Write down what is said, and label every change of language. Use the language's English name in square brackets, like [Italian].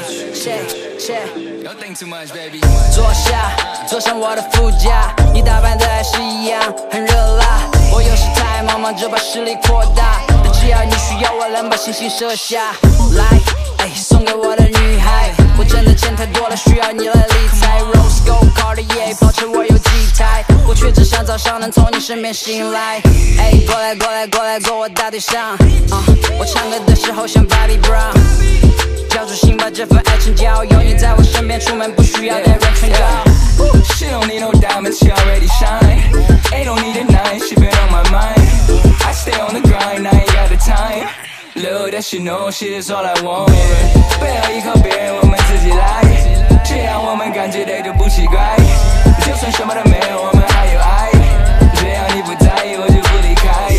[English] You don't need to think too much. Hey, shit, shit. Don't think too much, baby. [Chinese] 坐下，坐上我的副驾，你打扮的还是一样，很热辣。我有时太忙，忙着把实力扩大，但只要你需要我，能把星星射下。来，哎，送给我的女孩，我挣的钱太多了，需要你来理财。 Rose Gold Cartier， 跑车我有几台，我却只想早上能从你身边醒来。哎，过来过来过来，坐我大腿上。我唱歌的时候像 Bobby Brown， 叫住心，把这份爱情交，永远在我身边，出门不需要戴人唇膏。 [English] She don't need no diamonds, she already shine. Ain't no need a nine, she been on my mind. I stay on the grind, I ain't got the time. Little does she know, she is all I want. [Chinese] 不要依靠别人，我们自己来。这样我们感觉累都不奇怪。就算什么都没有，我们还有爱。只要你不在意，我就不离开。